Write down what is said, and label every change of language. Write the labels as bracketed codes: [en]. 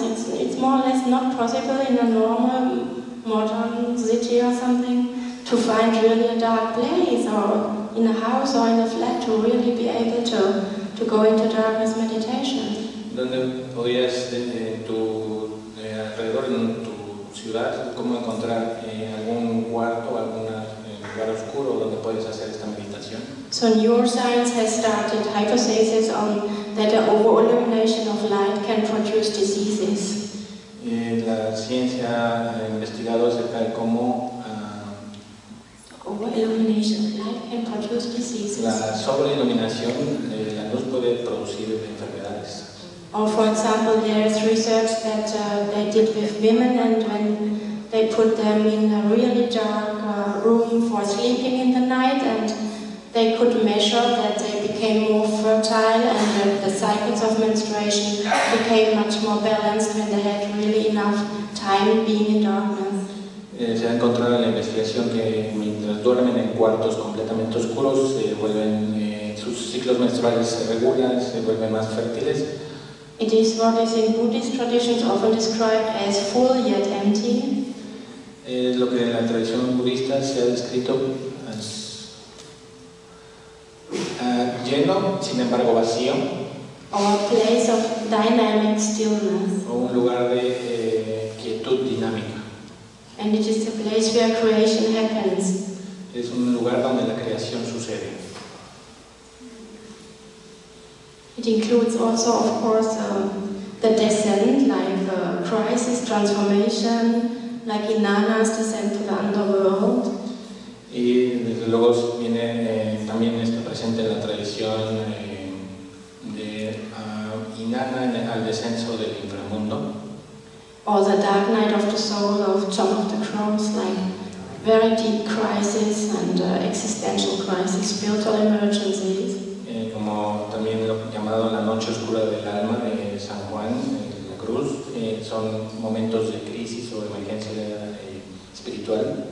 [en] It's more or less not possible in a normal modern city or something to find really a dark place or in a house or in a flat to really be able to go into darkness meditation. [es] Donde podrías alrededor en tu ciudad cómo encontrar algún cuarto, algún lugar oscuro donde puedes hacer esta meditación. [en] So neuroscience has started hypotheses on that the over-illumination of light can produce diseases. [es] La ciencia ha investigado acerca de cómo [en] over-illumination of light can produce diseases. [es] La sobreiluminación de la luz puede producir enfermedades. [en] Or for example, there is research that they did with women, and when they put them in a really dark room for sleeping in the night, and they could measure that they became more fertile, and that the cycles of menstruation became much more balanced when they had really enough time being in darkness. [es] Se ha encontrado en la investigación que mientras duermen en cuartos completamente oscuros, se vuelven sus ciclos menstruales se regulan, se vuelven más fértiles. [en] It is what is in Buddhist traditions often described as full yet empty. [es] Es lo que en la tradición budista se ha descrito as lleno, sin embargo vacío. [en] or a place of dynamic stillness. [es] O un lugar de quietud dinámica. [en] And it is a place where creation happens. [es] Es un lugar donde la creación sucede. [en] It includes also, of course, the descent, like a crisis transformation, like Inanna's descent to the underworld. [es] Y desde luego viene también está presente la tradición de Inanna al descenso del inframundo. [en] Or the dark night of the soul of John of the Cross, like very deep crisis and existential crisis, spiritual emergencies. [es] Como también lo llamado la noche oscura del alma de San Juan de la Cruz, son momentos de crisis o emergencia espiritual.